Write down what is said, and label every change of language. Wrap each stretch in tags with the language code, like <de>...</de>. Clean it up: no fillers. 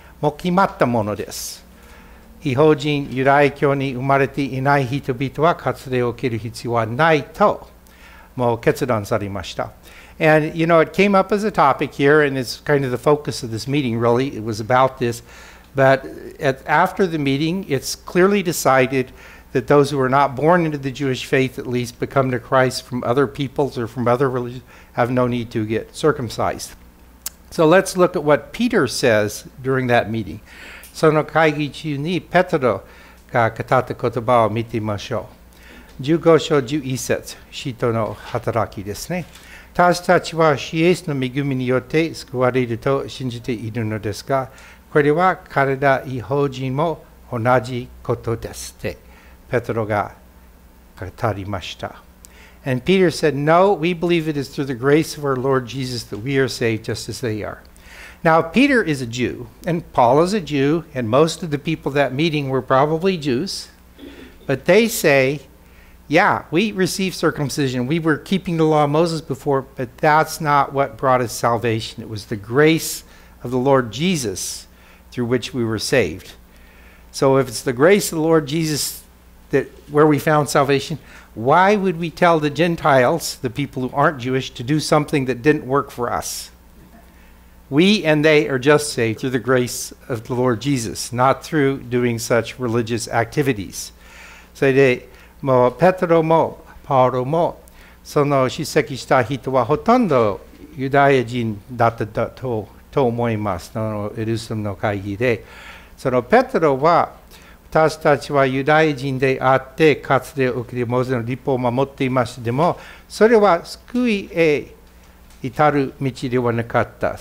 <ja>もう決まったものです。異邦人、ユダヤ教に生まれていない人々は割礼を受ける必要はないと、もう決断されました。</ja> <en>And, you know, it came up as a topic here, and it's kind of the focus of this meeting, really. It was about this. But at, after the meeting, it's clearly decided that those who are not born into the Jewish faith, at least, but come to Christ from other peoples or from other religions, have no need to get circumcised. So let's look at what Peter says during that meeting.</en> <ja>その会議中にペトロが語った言葉を見てみましょう。 15章11節、人の働きですね。私たちは主イエスの恵みによって救われると信じているのですが、これは彼ら異邦人も同じことですって、ペトロが語りました。</ja> <en>And Peter said, No, we believe it is through the grace of our Lord Jesus that we are saved just as they are. Now, Peter is a Jew, and Paul is a Jew, and most of the people at that meeting were probably Jews, but they say, yeah, we received circumcision. We were keeping the law of Moses before, but that's not what brought us salvation. It was the grace of the Lord Jesus through which we were saved. So if it's the grace of the Lord Jesus that where we found salvation, why would we tell the Gentiles, the people who aren't Jewish, to do something that didn't work for us? We and they are just saved through the grace of the Lord Jesus, not through doing such religious activities.</en> <ja>それで、もうペトロもパウロも、その出席した人はほとんどユダヤ人だったと思います。そのエルサレムの会議で。そのペトロは、私たちはユダヤ人であって、かつて受けてモーゼの律法を守っていましたでも、それは救いへ、至る道ではなかった。</ja>